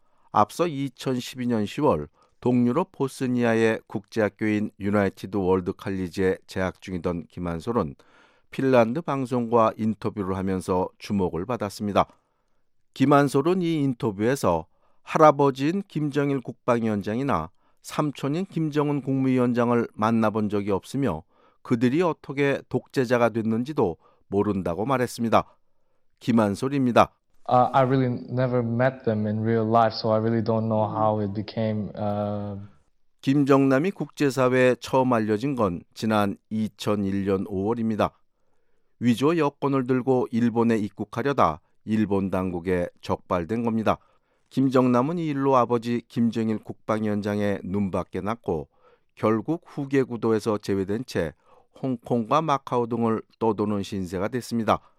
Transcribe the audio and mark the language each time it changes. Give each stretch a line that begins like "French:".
Korean: 앞서 2012년 10월 동유럽 보스니아의 국제학교인 유나이티드 월드 칼리지에 재학 중이던 김한솔은 핀란드 방송과 인터뷰를 하면서 주목을 받았습니다. 김한솔은 이 인터뷰에서 할아버지인 김정일 국방위원장이나 삼촌인 김정은 국무위원장을 만나본 적이 없으며 그들이 어떻게 독재자가 됐는지도 모른다고 말했습니다. 김한솔입니다.
English: I really never met them in real life, so I really don't know how it became.
Korean: 김정남이 국제사회에 처음 알려진 건 지난 2001년 5월입니다. 위조 여권을 들고 일본에 입국하려다 일본 당국에 적발된 겁니다. 김정남은 이 일로 아버지 김정일 국방위원장의 눈밖에 났고 결국 후계 구도에서 제외된 채 홍콩과 마카오 등을 떠도는 신세가 됐습니다.